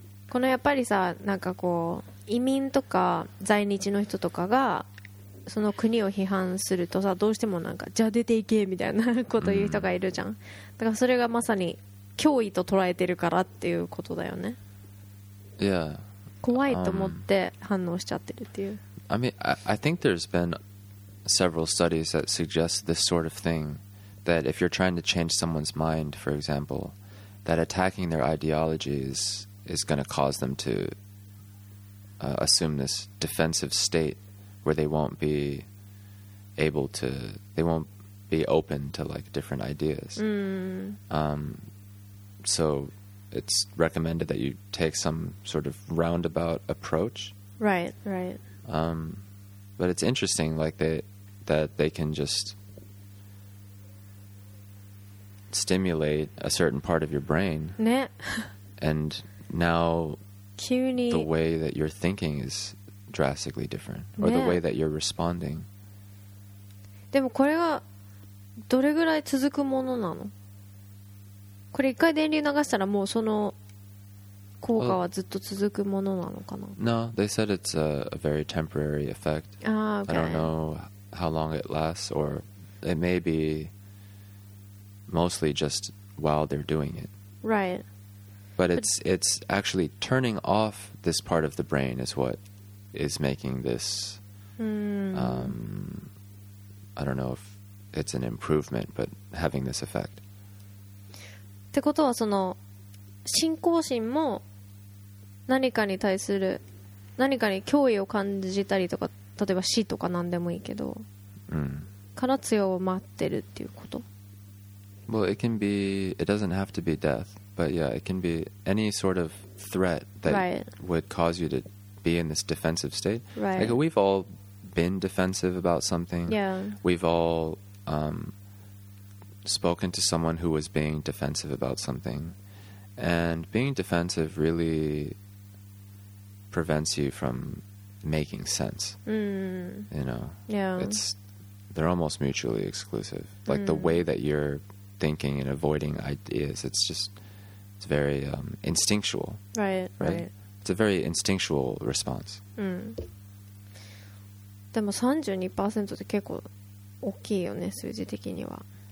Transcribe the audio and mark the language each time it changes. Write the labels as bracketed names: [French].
[Japanese] このやっぱりさ、なんかこう移民とか在日の人とかがその国を批判するとさ、どうしてもなんかじゃあ出ていけみたいなことを言う人がいるじゃん。だからそれがまさに脅威と捉えてるからっていうことだよね。 [English] Yeah. [Japanese] 怖いと思って反応しちゃってるっていう。 [English] I mean, I think there's been several studies that suggest this sort of thing, that if you're trying to change someone's mind, for example, that attacking their ideology is going to cause them to assume this defensive state where they won't be open to like different ideas. Mm. So it's recommended that you take some sort of roundabout approach. Right, right. But it's interesting, like that they can just stimulate a certain part of your brain. [Japanese] ね。 [English] And now, [Japanese] 急に [English] the way that you're thinking is drastically different, or ね。 The way that you're responding. [Japanese] でもこれはどれぐらい続くものなの？これ一回電流流したらもうその効果はずっと続くものなのかな。 [English] No, they said it's a very temporary effect. Okay. I don't know how long it lasts, or it may be mostly just while they're doing it. Right. But it's actually turning off this part of the brain is what is making this. Mm. I don't know if it's an improvement, but having this effect. [Japanese] ってことはその信仰心も何かに対する何かに脅威を感じたりとか、例えば死とか何でもいいけど、うん、から強まってるっていうこと。 [English] Well, it can be, it doesn't have to be death, but yeah, it can be any sort of threat that right. would cause you to be in this defensive state. Right. Like we've all been defensive about something. Yeah. We've all spoken to someone who was being defensive about something. And being defensive really prevents you from making sense. Mm. You know, yeah. It's they're almost mutually exclusive. Like the way that you're thinking and avoiding ideas, it's very instinctual. Right. It's a very instinctual response. [Japanese] でも 32% って結構大きいよね、数字的には。